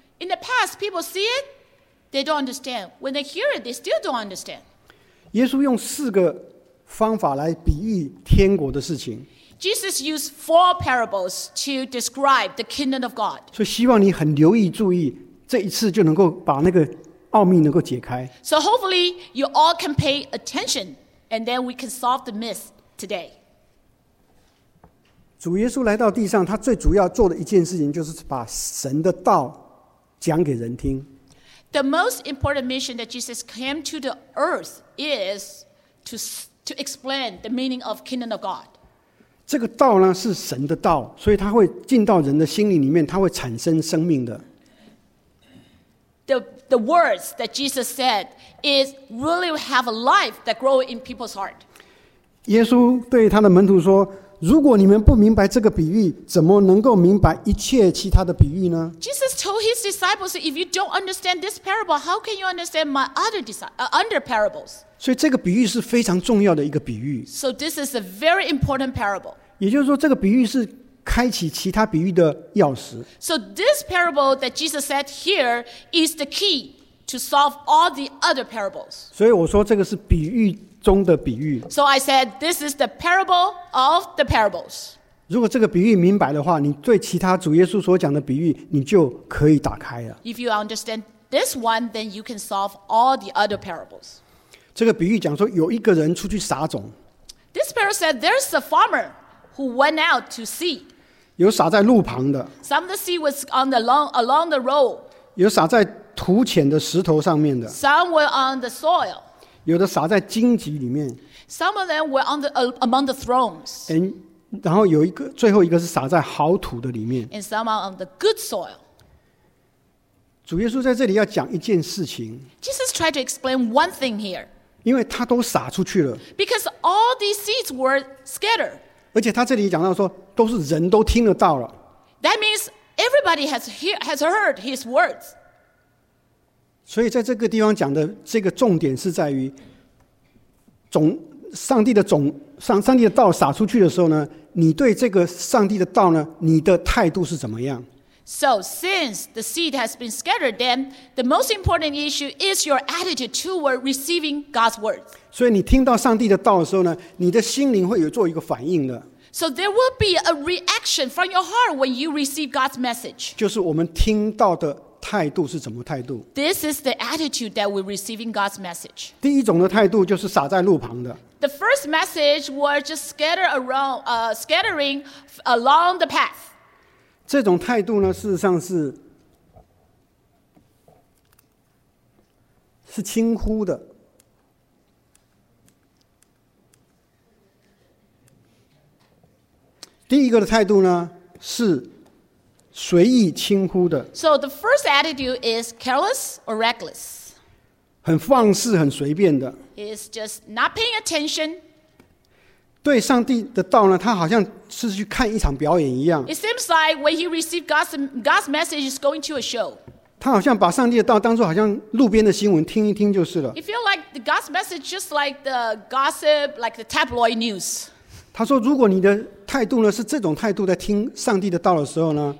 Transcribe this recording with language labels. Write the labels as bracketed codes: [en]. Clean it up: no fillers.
[en] In the past, people see it, they don't understand. When they hear it, they still don't understand. [zh] 耶稣用四个方法来比喻天国的事情。 [en] Jesus used four parables to describe the kingdom of God. [zh] 所以希望你很留意注意，这一次就能够把那个奥秘能够解开。 [en] So hopefully you all can pay attention, and then we can solve the myth today. [zh] 主耶稣来到地上，他最主要做的一件事情就是把神的道讲给人听。 [en] The most important mission that Jesus came to the earth is to explain the meaning of kingdom of God. [zh] 这个道呢是神的道，所以它会进到人的心灵里面，它会产生生命的。 [en] The words that Jesus said is really have a life that grow in people's heart. [zh] 耶稣对他的门徒说，如果你们不明白这个比喻，怎么能够明白一切其他的比喻呢？ [en] Jesus told his disciples, if you don't understand this parable, how can you understand my other parables? [zh] 所以这个比喻是非常重要的一个比喻。 [en] So this is a very important parable. [zh] 也就是说这个比喻是开启其他比喻的钥匙。 [en] So this parable that Jesus said here is the key to solve all the other parables. [zh] 所以我说这个是比喻中的比喻。 [en] So I said this is the parable of the parables. [zh] 如果这个比喻明白的话，你对其他主耶稣所讲的比喻你就可以打开了。 [en] If you understand this one, then you can solve all the other parables. [zh] 这个比喻讲说有一个人出去撒种。 [en] This parable said there's a farmer who went out to seed. [zh] 有撒在路旁的。 [en] Some of the seed was on the along the road. [zh] 有撒在土浅的石头上面的。 [en] Some were on the soil. [zh] 有的撒在荆棘里面。 [en] Some of them were among the thorns. [zh] 然后有一个，最后一个是撒在好土的里面。 [en] And some are on the good soil. [zh] 主耶稣在这里要讲一件事情。 [en] Jesus tried to explain one thing here. [zh] 因为他都撒出去了。 [en] Because all these seeds were scattered. [zh] 而且他这里讲到说，都是人都听得到了。 [en] That means everybody has heard his words. [zh] 所以在这个地方讲的这个重点是在于上帝的道撒出去的时候呢，你对这个上帝的道呢，你的态度是怎么样。 [en] So since the seed has been scattered, then the most important issue is your attitude toward receiving God's word. [zh] 所以你听到上帝的道的时候呢，你的心灵会有做一个反应的。 [en] So there will be a reaction from your heart when you receive God's message. [zh] 就是我们听到的态度是什么态度？ [en] This is the attitude that we're receiving God's message. [zh] 第一种的态度就是撒在路旁的。 [en] The first message was just scattering along the path. [zh] 这种态度呢，事实上是轻忽的。第一个的态度呢，是随意轻忽的。 [en] So the first attitude is careless or reckless. [zh] 很放肆，很随便的。 [en] It's just not paying attention. [zh] 对上帝的道呢，他好像是去看一场表演一样。 [en] It seems like when he received God's message, he's going to a show. [zh] 他好像把上帝的道当作好像路边的新闻，听一听就是了。 [en] It feels like the God's message is just like the gossip, like the tabloid news. [zh] 他说如果你的态度呢是这种态度在听上帝的道的时候呢，